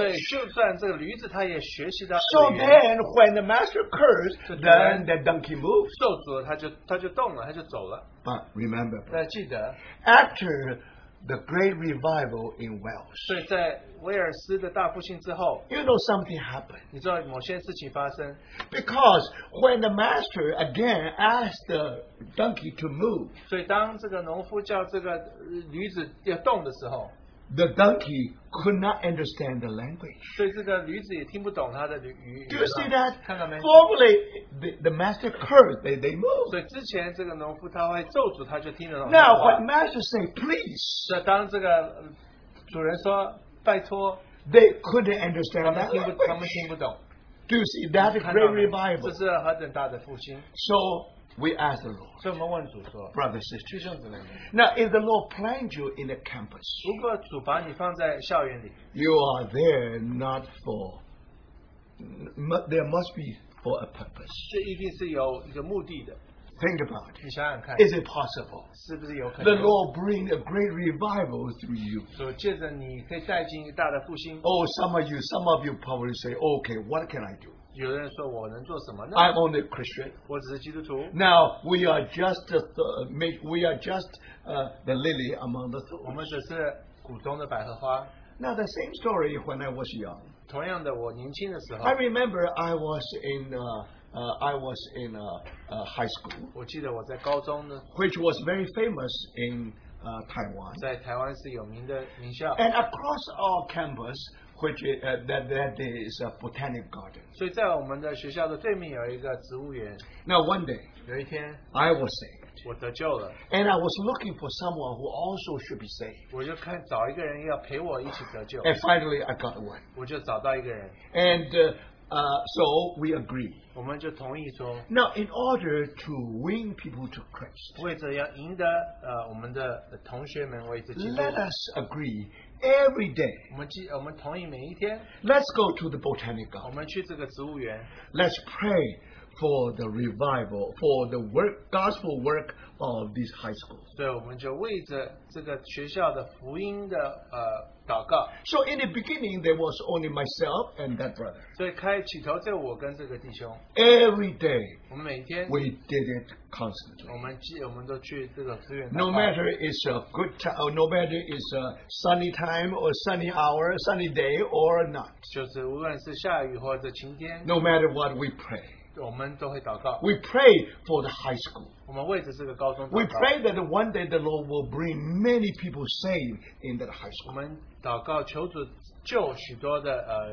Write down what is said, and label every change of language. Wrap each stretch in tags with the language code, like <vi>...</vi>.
<zh>对，就算这个驴子，他也学习到语言.</zh> <en>So then, when the master cursed, then the donkey moved.</en> <zh>咒诅了，他就动了，他就走了.</zh> <en>But remember,</en> <zh>但记得,</zh> <en>after the great revival in Wales,</en> <zh>所以在威尔斯的大复兴之后,</zh> <en>you know something happened.</en> <zh>你知道某些事情发生.</zh> <en>Because when the master again asked the donkey to move,</en> <zh>所以当这个农夫叫这个驴子要动的时候,</zh> <en>the donkey could not understand the language.</en> <zh>所以这个驴子也听不懂他的语言.</zh> <en>Do you see that?</en> <zh>看到没?</zh> <en>Formerly, the master cursed, they moved.</en> <zh>所以之前这个农夫他会咒诅，他就听得懂。</zh> <en>Now, when master say please,</en> <zh>所以当这个主人说拜托,</zh> <en>they couldn't understand that language.</en> <zh>他们听不懂。</zh> <en>Do you see that great revival?</en> <zh>这是何等大的复兴。</zh> <en>So, we ask the Lord,</en> <zh>所以我们问主说,</zh> <en>brothers and sisters,</en> <zh>弟兄姊妹,</zh> <en>now if the Lord planted you in a campus,</en> <zh>如果主把你放在校园里,</zh> <en>you are there not for, there must be for a purpose.</en> <zh>这一定是有一个目的的.</zh> <en>Think about it.</en> <zh>你想想看,</zh> <en>is it possible?</en> <zh>是不是有可能?</zh> <en>The Lord bring a great revival through you.</en> <zh>所以借着你可以带进一个大的复兴。</zh> <en>Oh, some of you probably say, okay, what can I do? I'm only a Christian. Now we are just the lily among the thorns. Now the same story when I was young. I remember I was in high school, which was very famous in Taiwan.</en> <zh>在台湾是有名的名校.</zh> <en>And across our campus, which is, that day is a botanic garden.</en> <zh>所以在我们的学校的对面有一个植物园.</zh> <en>Now one day,</en> <zh>有一天,</zh> <en>I was saved.</en> <zh>我得救了.</zh> <en>And I was looking for someone who also should be saved.</en> <zh>我就看找一个人要陪我一起得救.</zh> <en>And finally, I got one.</en> <zh>我就找到一个人.</zh> <en>And so we agree. Now, in order to win people to Christ,</en> <zh>为着要赢得, 我们的同学们为着基督,</zh> <en>let us agree every day.</en> <zh>我们同意每一天,</zh> <en>let's go to the botanic garden.</en> <zh>我们去这个植物园,</zh> <en>let's pray for the revival, for the work, gospel work of this high school.</en> <zh>对,我们就为着这个学校的福音的,</zh> <en>so in the beginning, there was only myself and that brother.</en> <zh>所以开始头就我跟这个弟兄.</zh> <en>Every day,</en> <zh>我们每天,</zh> <en>we did it constantly.</en> <zh>我们都去这个资源的话,</zh> <en>no matter it's a good time, no matter it's a sunny time or sunny hour, sunny day or not.</en> <zh>就是无论是下雨或者晴天,</zh> <en>no matter what we pray.</en> <zh>我们都会祷告.</zh> <en>We pray for the high school.</en> <zh>我们为着这个高中祷告.</zh> <en>We pray that one day the Lord will bring many people saved in that high school.</en> <zh>我们祷告求主救许多的,</zh>